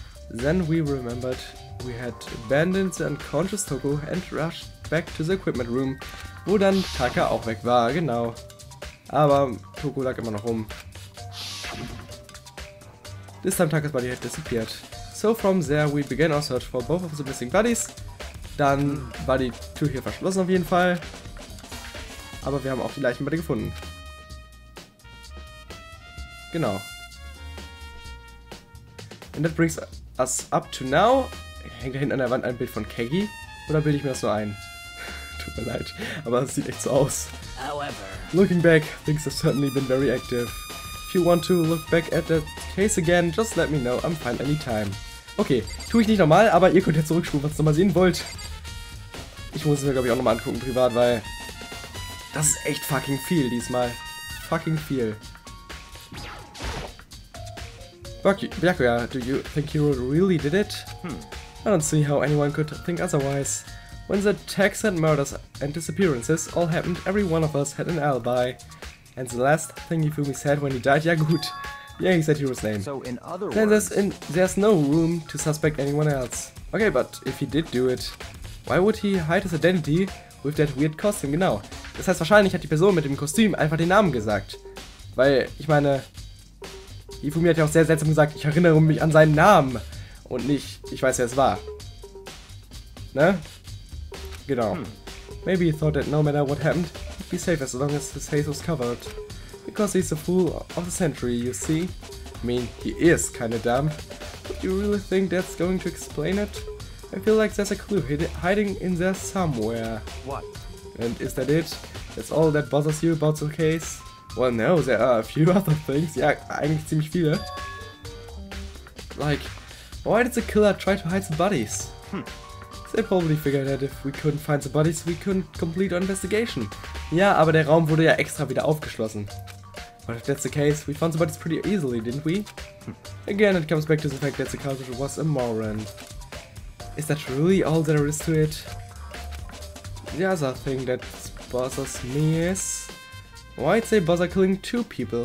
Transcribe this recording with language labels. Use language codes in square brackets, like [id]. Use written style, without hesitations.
[en] Then we remembered we had abandoned the unconscious Toko and rushed back to the equipment room, [de] wo dann Taka auch weg war, genau. Aber Toko lag immer noch rum. [en] This time Taka's body had disappeared. So from there we began our search for both of the missing bodies. [de] Dann Body 2 hier verschlossen auf jeden Fall. Aber wir haben auch die Leichen beide gefunden. Genau. [en] And that brings us up to now. [de] Hängt da hinten an der Wand ein Bild von Keggy? Oder bilde ich mir das so ein? Tut mir leid, aber es sieht echt so aus. [en] However, looking back, things have certainly been very active. If you want to look back at that case again, just let me know, I'm fine anytime. [de] Okay, tue ich nicht nochmal, aber ihr könnt ja zurückspulen, was ihr nochmal sehen wollt. Ich muss es mir, glaube ich, auch nochmal angucken, privat, weil das ist echt fucking viel diesmal. Fucking viel. [en] Byakuya, do you think Hiro really did it? I don't see how anyone could think otherwise. When the attacks and murders and disappearances all happened, every one of us had an alibi. And the last thing Ifumi said when he died, [de] ja gut. [en] Yeah, he said Hiro's name. So in other then there's no room to suspect anyone else. Okay, but if he did do it, why would he hide his identity with that weird costume? [de] Genau. Das heißt, wahrscheinlich hat die Person mit dem Kostüm einfach den Namen gesagt. Weil, ich meine, Ifumi hat ja auch sehr seltsam gesagt, ich erinnere mich an seinen Namen. Und nicht, ich weiß, wer es war. Ne? Genau. [en] Maybe he thought that no matter what happened, he'd be safe as long as his face was covered. Because he's the fool of the century, you see? I mean, he is kinda dumb. But you really think that's going to explain it? I feel like there's a clue hiding in there somewhere. What? And is that it? That's all that bothers you about the case? Well, no, there are a few other things. [de] Ja, eigentlich ziemlich viele. [en] Like, why did the killer try to hide the bodies? They probably figured that if we couldn't find the bodies, we couldn't complete our investigation. [de] Ja, aber der Raum wurde ja extra wieder aufgeschlossen. [en] But if that's the case, we found the bodies pretty easily, didn't we? Again, it comes back to the fact that the culprit was a moron. Is that really all there is to it? The other thing that bothers me is, why'd they bother killing two people?